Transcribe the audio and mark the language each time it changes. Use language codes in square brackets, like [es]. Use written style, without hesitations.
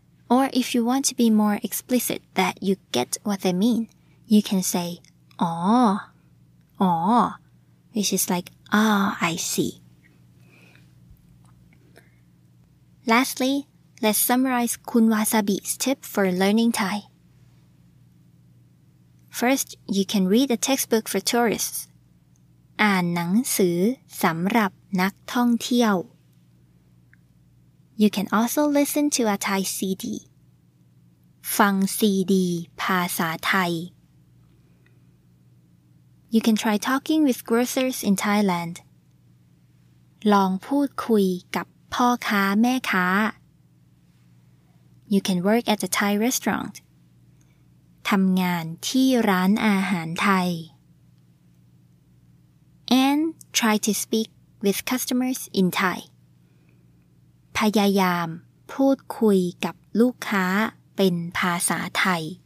[en] Or if you want to be more explicit that you get what they mean, you can say aw, aw, which is like ah, I see. Lastly,Let's summarize Kun Wasabi's tip for learning Thai. First, you can read a textbook for tourists. [th] อ่านหนังสือสำหรับนักท่องเที่ยว. [en] You can also listen to a Thai CD. [th] ฟัง CD ภาษาไทย. [en] You can try talking with grocers in Thailand. [th] ลองพูดคุยกับพ่อค้าแม่ค้า [en] You can work at a Thai restaurant. [th] ทำงานที่ร้านอาหารไทย. [en] And try to speak with customers in Thai. [th] พยายามพูดคุยกับลูกค้าเป็นภาษาไทย.